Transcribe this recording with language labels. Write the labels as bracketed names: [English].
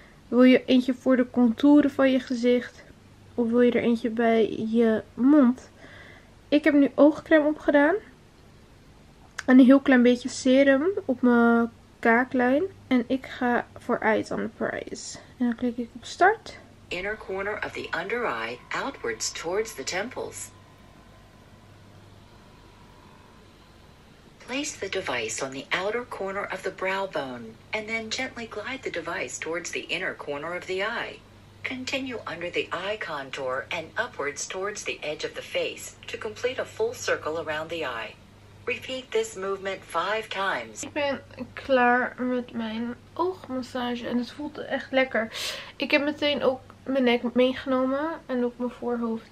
[Dutch] Wil je eentje voor de contouren van je gezicht? Of wil je er eentje bij je mond? Ik heb nu oogcreme opgedaan. En een heel klein beetje serum op mijn kaaklijn. En ik ga voor [English] eyes on the prize. [Dutch] En dan klik ik op start. [English] Inner corner of the under eye, outwards towards the temples. Place the device on the outer corner of the brow bone. And then gently glide the device towards the inner corner of the eye. Continue under the eye contour and upwards towards the edge of the face to complete a full circle around the eye. Repeat this movement 5 times. [Dutch] Ik ben klaar met mijn oogmassage en het voelt echt lekker. Ik heb meteen ook mijn nek meegenomen en ook mijn voorhoofd.